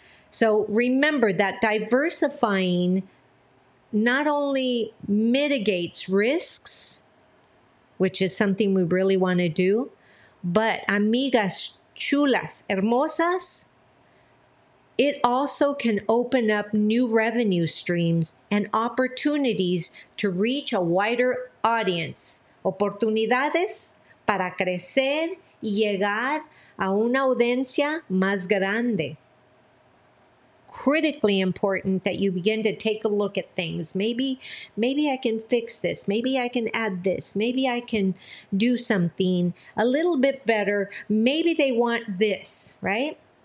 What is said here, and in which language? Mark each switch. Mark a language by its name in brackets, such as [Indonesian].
[English] So remember that diversifying not only mitigates risks, which is something we really want to do, but [Spanish] amigas chulas, hermosas, [English] it also can open up new revenue streams and opportunities to reach a wider audience. [Spanish] Oportunidades para crecer y llegar a una audiencia más grande. [English] Critically important that you begin to take a look at things. Maybe I can fix this. Maybe I can add this. Maybe I can do something a little bit better. Maybe they want this, right?